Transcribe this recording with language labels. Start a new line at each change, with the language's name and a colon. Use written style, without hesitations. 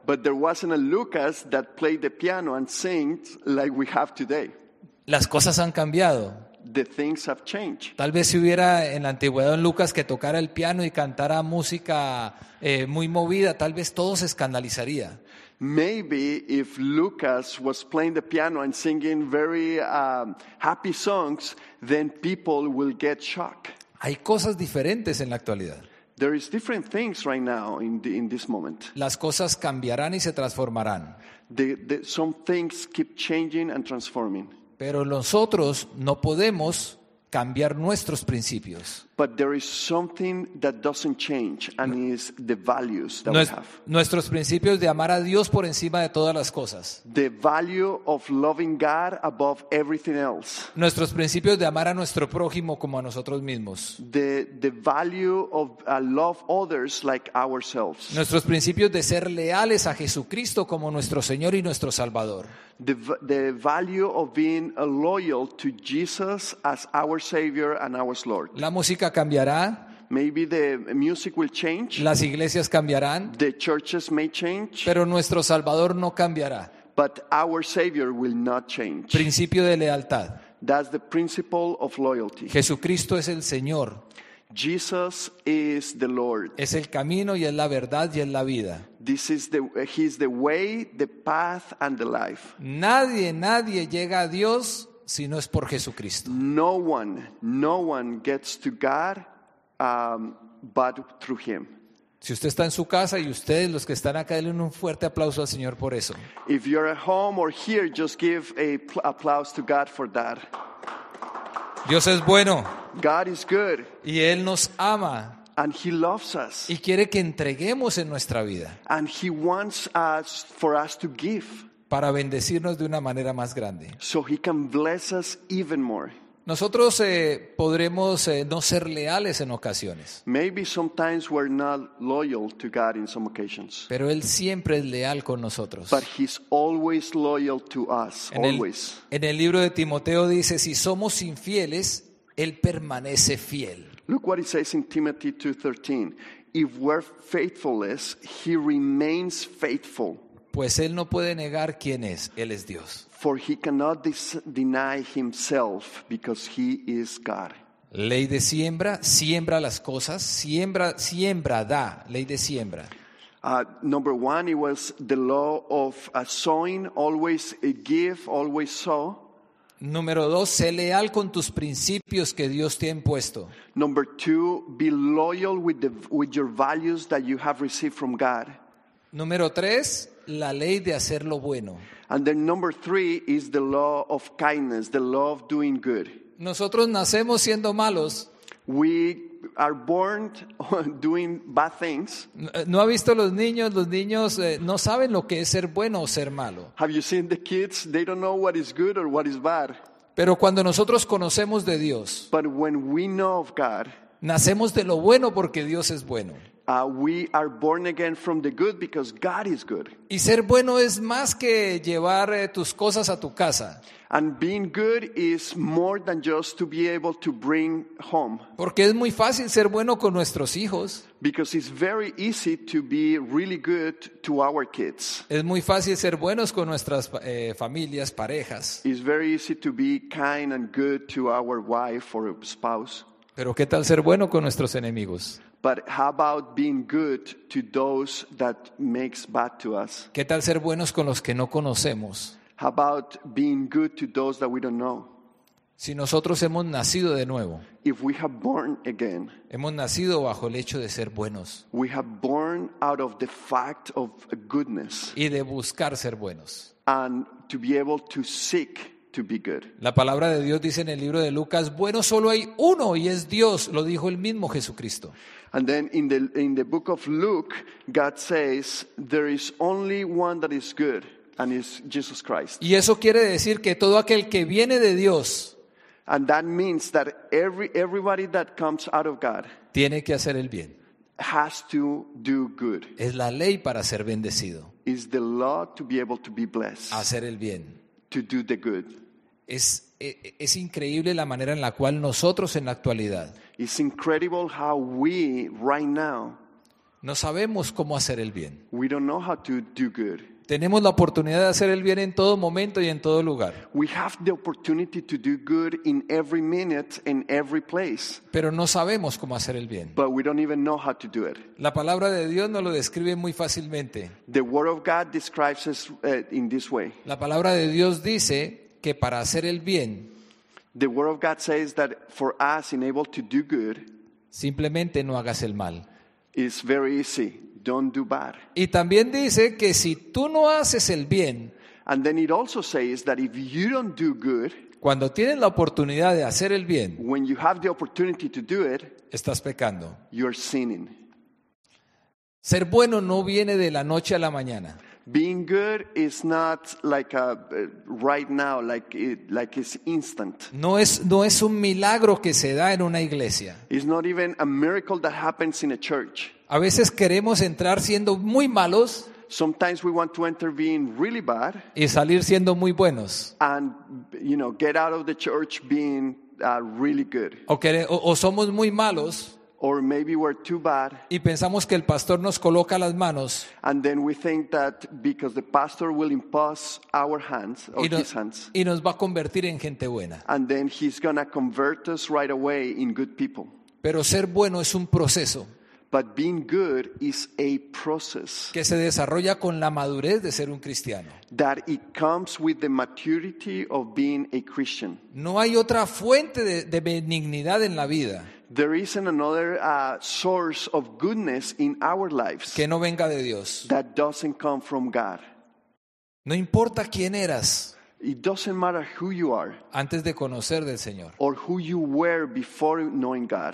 English: But there wasn't a Lucas that played the piano and sang like we have today.
Spanish: Las cosas han cambiado.
English: The things have changed.
Spanish: Tal vez si hubiera en la antigüedad un Lucas que tocara el piano y cantara música muy movida, tal vez todo se escandalizaría.
English: Maybe if Lucas was playing the piano and singing very happy songs, then people will get shocked.
Spanish: Hay cosas diferentes en la actualidad.
English: There is different things right now in this moment.
Spanish: Las cosas cambiarán y se transformarán.
English: Some things keep changing and transforming.
Spanish: Pero nosotros no podemos cambiar nuestros principios.
English: But there is something that doesn't change, and is the values that we have.
Spanish: Nuestros principios de amar a Dios por encima de todas las cosas.
English: The value of loving God above everything else.
Spanish: Nuestros principios de amar a nuestro prójimo como a nosotros mismos.
English: The value of love others like ourselves.
Spanish: Nuestros principios de ser leales a Jesucristo como nuestro Señor y nuestro Salvador.
English: The value of being loyal to Jesus as our Savior and our Lord.
Spanish: La música cambiará.
English: Maybe the music will change.
Spanish: Las iglesias cambiarán.
English: The churches may change.
Spanish: Pero nuestro Salvador no cambiará.
English: But our Savior will not change.
Spanish: Principio de lealtad.
English: That's the principle of loyalty.
Spanish: Jesucristo es el Señor.
English: Jesus is the Lord.
Spanish: Es el camino y es la verdad y es la vida.
English: This is the he is the way, the path and the life.
Spanish: Nadie llega a Dios si no es por Jesucristo.
English: No one gets to God but through him.
Spanish: Si usted está en su casa y ustedes los que están acá, denle un fuerte aplauso al Señor por eso.
English: If you're at home or here, just give a applause to God for that.
Spanish: Dios es bueno.
English: God is good.
Spanish: Y Él nos ama.
English: And He loves us.
Spanish: Y quiere que entreguemos en nuestra vida.
English: And He wants us for us to give.
Spanish: Para bendecirnos de una manera más grande.
English: So He can bless us even more.
Spanish: Nosotros podremos no ser leales en ocasiones.
English: Maybe sometimes we're not loyal to God in some occasions.
Spanish: Pero Él siempre es leal con nosotros.
English: But He's always loyal to us, always.
Spanish: En el libro de Timoteo dice, si somos infieles, Él permanece fiel.
English: Look what it says in Timothy 2:13. If we're faithless, He remains faithful.
Spanish: Pues Él no puede negar quién es. Él es Dios.
English: For He cannot deny Himself because He is God.
Spanish: Ley de siembra, siembra las cosas, siembra da. Ley de siembra.
English: Number one, it was the law of sowing, always give, always sow.
Spanish: Número dos, sé leal con tus principios que Dios te ha impuesto.
English: Number two, be loyal with your values that you have received from God.
Spanish: Número tres, la ley de hacer lo bueno.
English: And then number three is the law of kindness, the law of doing good.
Spanish: Nosotros nacemos siendo malos.
English: We are born doing bad things.
Spanish: ¿No ha visto los niños? Los niños no saben lo que es ser bueno o ser malo.
English: Have you seen the kids? They don't know what is good or what is bad.
Spanish: Pero cuando nosotros conocemos de Dios,
English: but when we know of God,
Spanish: nacemos de lo bueno porque Dios es bueno.
English: We are born again from the good because God is good.
Spanish: Y ser bueno es más que llevar tus cosas a tu casa.
English: And being good is more than just to be able to bring home.
Spanish: Porque es muy fácil ser bueno con nuestros hijos.
English: Because it's very easy to be really good to our kids.
Spanish: Es muy fácil ser buenos con nuestras familias, parejas.
English: It's very easy to be kind and good to our wife or spouse.
Spanish: Pero ¿qué tal ser bueno con nuestros enemigos?
English: But how about being good to those that makes bad to us?
Spanish: ¿Qué tal ser buenos con los que no conocemos?
English: How about being good to those that we don't know?
Spanish: Si nosotros hemos nacido de nuevo.
English: If we have born again.
Spanish: Hemos nacido bajo el hecho de ser buenos.
English: We have born out of the fact of goodness.
Spanish: Y de buscar ser buenos.
English: And to be able to seek to be good.
Spanish: La palabra de Dios dice en el libro de Lucas, bueno solo hay uno y es Dios, lo dijo el mismo Jesucristo.
English: And then in the book of Luke, God says there is only one that is good, and it's Jesus Christ.
Spanish: Y eso quiere decir que todo aquel que viene de Dios,
English: and that means that everybody that comes out of God,
Spanish: tiene que hacer el bien.
English: Has to do good.
Spanish: Es la ley para ser bendecido.
English: Is the law to be able to be blessed.
Spanish: Hacer el bien.
English: To do the good.
Spanish: Es increíble la manera en la cual nosotros en la actualidad.
English: It's incredible how we right now.
Spanish: No sabemos cómo hacer el bien.
English: We don't know how to do good.
Spanish: Tenemos la oportunidad de hacer el bien en todo momento y en todo lugar.
English: We have the opportunity to do good in every minute in every place.
Spanish: Pero no sabemos cómo hacer el bien.
English: But we don't even know how to do it.
Spanish: La palabra de Dios nos lo describe muy fácilmente.
English: The word of God describes us in this way.
Spanish: La palabra de Dios dice que para hacer el bien,
English: the word of God says that for us in able to do good,
Spanish: simplemente no hagas el mal.
English: It's very easy. Don't do bad.
Spanish: Y también dice que si tú no haces el bien,
English: and then it also says that if you don't do good,
Spanish: Cuando tienes la oportunidad de hacer el bien,
English: when you have the opportunity to do it,
Spanish: estás pecando.
English: You're sinning.
Spanish: Ser bueno no viene de la noche a la mañana.
English: Being good is not like a right now, like it's instant.
Spanish: No es un milagro que se da en una iglesia.
English: It's not even a miracle that happens in a church.
Spanish: A veces queremos entrar siendo muy malos.
English: Sometimes we want to enter being really bad.
Spanish: Y salir siendo muy buenos.
English: And you know, get out of the church being really good.
Spanish: O somos muy malos.
English: Or maybe we're too bad.
Spanish: Y pensamos que el pastor nos coloca las manos.
English: And then we think that because the pastor will impose our hands or his hands.
Spanish: Y nos va a convertir en gente buena.
English: And then he's gonna convert us right away in good people.
Spanish: Pero ser bueno es un proceso.
English: But being good is a process
Spanish: que se desarrolla con la madurez de ser un cristiano.
English: That it comes with the maturity of being a Christian.
Spanish: No hay otra fuente de benignidad en la vida.
English: There isn't another source of goodness in our lives
Spanish: que no venga de Dios.
English: That doesn't come from God.
Spanish: No importa quién eras.
English: It doesn't matter who you are.
Spanish: Antes de conocer del Señor.
English: Or who you were before knowing God.